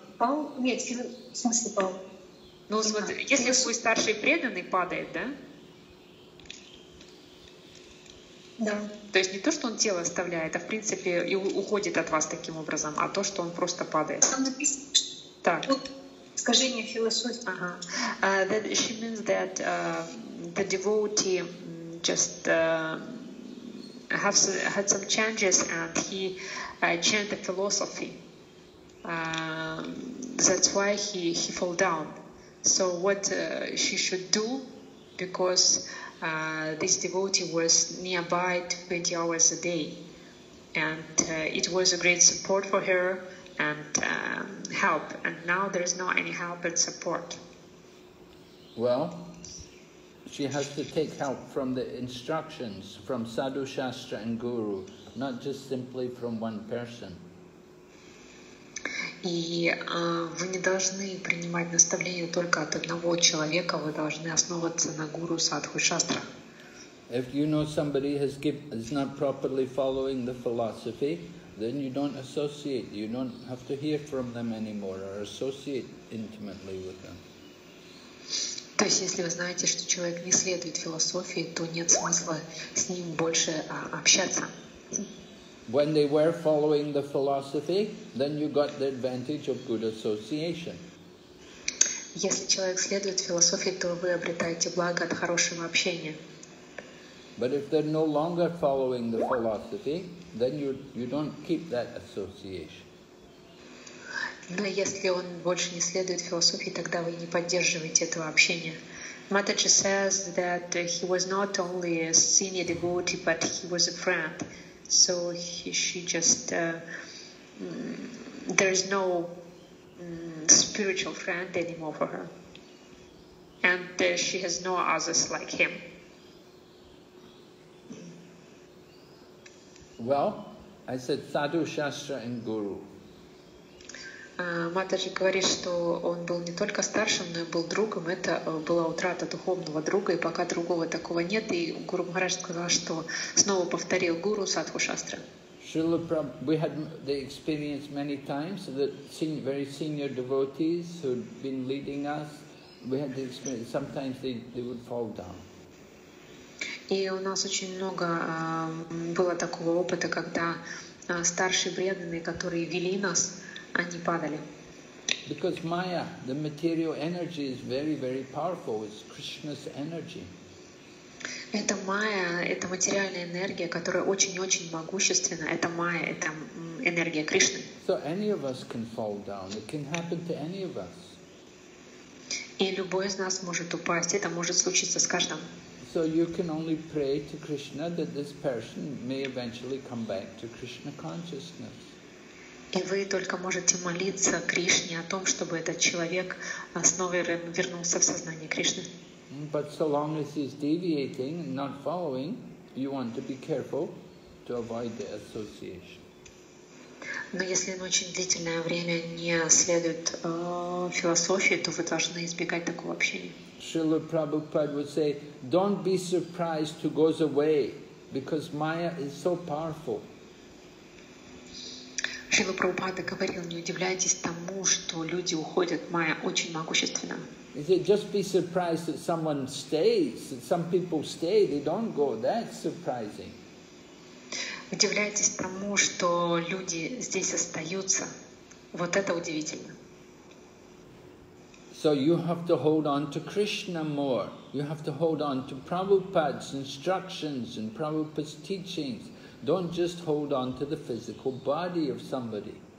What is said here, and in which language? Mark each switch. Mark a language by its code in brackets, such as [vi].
[ru] Пал? Нет, в смысле пал. Ну, смотри, если свой старший преданный падает, да? Да. То есть не то, что он тело оставляет, а в принципе и уходит от вас таким образом, а то, что он просто падает. Там написано, что... Так. Искажение философии. Ага. [en] That she means that the devotee just had some changes and he changed the philosophy. That's why he fell down. So what she should do, because this devotee was nearby 20 hours a day, and it was a great support for her and help, and now there is not any help and support. Well, she has to take help from the instructions from Sadhu Shastra and Guru, not just simply from one person. [ru] И вы не должны принимать наставления только от одного человека, вы должны основываться на гуру Садху Шастра. [en] If you know somebody is not properly following the philosophy, then you don't associate, you don't have to hear from them anymore or associate intimately with them. [ru] То есть если вы знаете, что человек не следует философии, то нет смысла с ним больше общаться. [en] When they were following the philosophy, then you got the advantage of good association. [ru] Если человек следует философии, то вы обретаете благо от хорошего общения. [en] But if they're no longer following the philosophy, then you don't keep that association. [ru] Но если он больше не следует философии, тогда вы не поддерживаете этого общения. [en] Mataji says that he was not only a senior devotee, but he was a friend. So there is no spiritual friend anymore for her, and she has no others like him. Well, I said Sadhu Shastra and Guru. [ru] Матаджи говорит, что он был не только старшим, но и был другом. Это была утрата духовного друга, и пока другого такого нет, и Гуру Махарадж сказал, что снова повторил Гуру Садху Шастра. [en] Srila Prabhupada, we had the experience many times that very senior devotees who'd been leading us, we had the experience, sometimes they would fall down. [ru] И у нас очень много было такого опыта, когда старшие преданные, которые вели нас, они падали. [en] Because Maya, the material energy is very, very powerful. It's Krishna's energy. [ru] Это Maya, это материальная энергия, которая очень-очень могущественна. Это Maya, это энергия Кришны. [en] So any of us can fall down. It can happen to any of us. [ru] И любой из нас может упасть. Это может случиться с каждым. [en] So you can only pray to Krishna that this person may eventually come back to Krishna consciousness. [ru] И вы только можете молиться Кришне о том, чтобы этот человек снова вернулся в сознание Кришны. [en] But so long as he's deviating and not following, you want to be careful to avoid the association. [ru] Но если он очень длительное время не следует философии, то вы должны избегать такого общения. [en] Srila Prabhupada would say, don't be surprised who goes away, because Maya is so powerful. [ru] Шрила Прабхупада говорил, не удивляйтесь тому, что люди уходят, Майя очень могущественна. [en] He said, just be surprised that someone stays, that some people stay, they don't go, that's surprising. [ru] Удивляйтесь тому, что люди здесь остаются, вот это удивительно. [en] So you have to hold on to Krishna more, you have to hold on to Prabhupada's instructions and Prabhupada's teachings. Don't just hold on to the physical body of somebody.